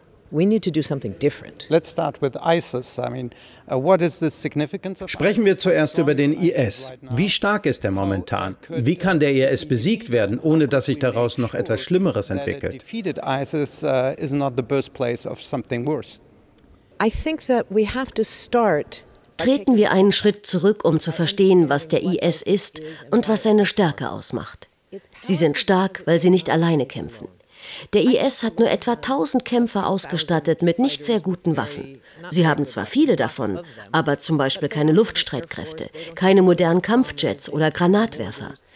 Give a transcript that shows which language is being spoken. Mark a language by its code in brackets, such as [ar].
[en] We need to do something different. Let's start with ISIS. I mean, what is the significance of ISIS? [de] Sprechen wir zuerst über den IS. Wie stark ist er momentan? Wie kann der IS besiegt werden, ohne dass sich daraus noch etwas Schlimmeres entwickelt? [en] Defeated ISIS is not the birthplace of something worse. I think that we have to start. [de] Treten wir einen Schritt zurück, um zu verstehen, was der IS ist und was seine Stärke ausmacht. Sie sind stark, weil sie nicht alleine kämpfen. Der IS hat nur etwa 1000 Kämpfer ausgestattet mit nicht sehr guten Waffen. Sie haben zwar viele davon, aber zum Beispiel keine Luftstreitkräfte, keine modernen Kampfjets oder Granatwerfer.